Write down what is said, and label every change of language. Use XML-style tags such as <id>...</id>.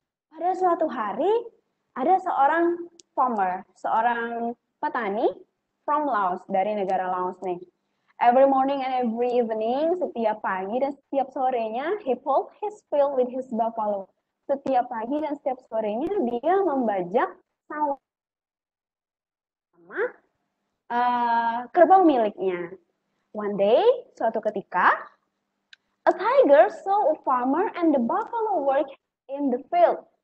<id>Pada suatu hari, ada seorang farmer, seorang petani</id> <en>from Laos,</en> <id>dari negara Laos nih.</id> <en>Every morning and every evening,</en> <id>setiap pagi dan setiap sorenya,</id> <en>he pulled his field with his buffalo.</en> <id>Setiap pagi dan setiap sorenya, dia membajak sawah sama kerbau miliknya.</id> <en>One day,</en> <id>suatu ketika,</id> <en>a tiger saw a farmer and the buffalo work in the field.</en>